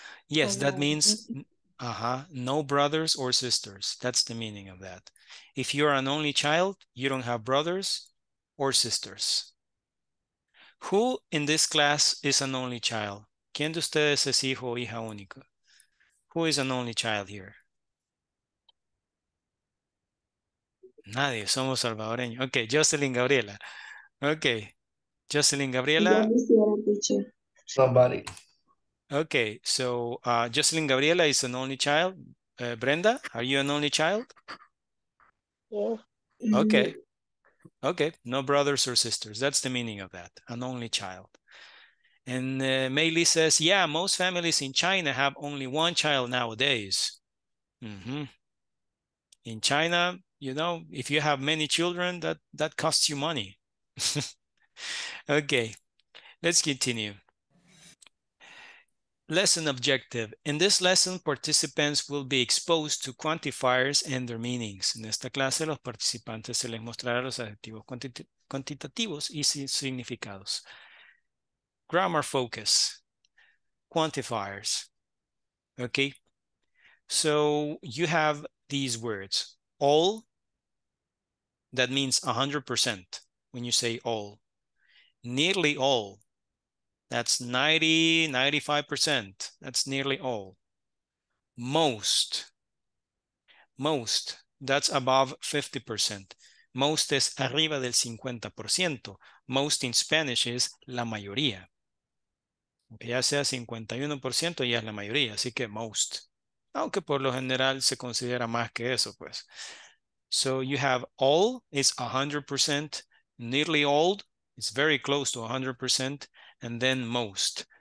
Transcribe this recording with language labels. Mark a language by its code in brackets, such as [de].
[en] Yes, oh, that means no brothers or sisters. That's the meaning of that. If you're an only child, you don't have brothers or sisters. Who in this class is an only child? [es] ¿Quién de ustedes es hijo o hija único? [en] Who is an only child here? [es] Nadie, somos salvadoreños. Okay, Jocelyn Gabriela. Okay, Jocelyn Gabriela. [en] Somebody. Okay, so Jocelyn Gabriela is an only child. Brenda, are you an only child? Yeah. Okay. Okay, no brothers or sisters. That's the meaning of that, an only child. And Mei Li says, yeah, most families in China have only one child nowadays. Mm-hmm. In China, you know, if you have many children, that costs you money. Okay, let's continue. Lesson objective. In this lesson, participants will be exposed to quantifiers and their meanings. [es] En esta clase, los participantes se les mostrará los adjetivos cuantitativos y sus significados. [en] Grammar focus, quantifiers, okay? So you have these words, all, that means 100% when you say all. Nearly all, that's 90, 95%, that's nearly all. Most, that's above 50%. [es] Most es arriba del 50%. [en] Most in Spanish is [es] la mayoría. Ya sea 51% ya es la mayoría, así que most. Aunque por lo general se considera más que eso, pues. [en] So you have all is 100%, nearly all is very close to 100%, and then most.